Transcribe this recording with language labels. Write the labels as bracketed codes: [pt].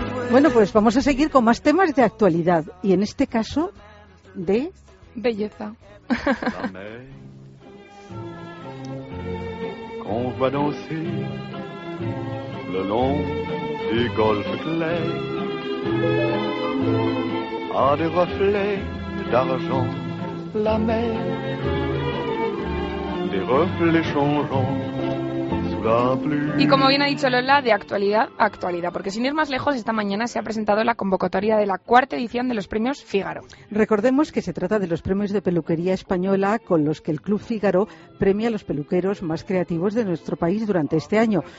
[es] Bueno, pues vamos a seguir con más temas de actualidad y en este caso de belleza. [fr] On va danser le long du golfe clair à des reflets d'argent. La mer, des reflets changeants sous [es] Y como bien ha dicho Lola, de actualidad a actualidad, porque sin ir más lejos, esta mañana se ha presentado la convocatoria de la cuarta edición de los premios Fígaro. Recordemos que se trata de los premios de peluquería española con los que el Club Fígaro premia a los peluqueros más creativos de nuestro país durante este año.